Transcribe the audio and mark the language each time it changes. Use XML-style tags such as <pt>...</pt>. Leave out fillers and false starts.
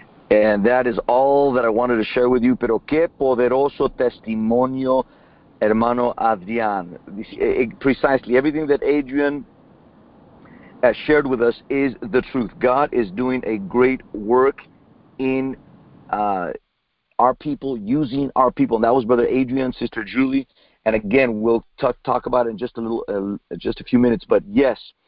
<en>And that is all that I wanted to share with you.</en> <es>Pero qué poderoso testimonio, hermano Adrián.</es> <en>Precisely, everything that Adrian has shared with us is the truth. God is doing a great work in our people, using our people. And that was Brother Adrian, Sister Julie. And again, we'll talk about it in just a few minutes. But yes.</en>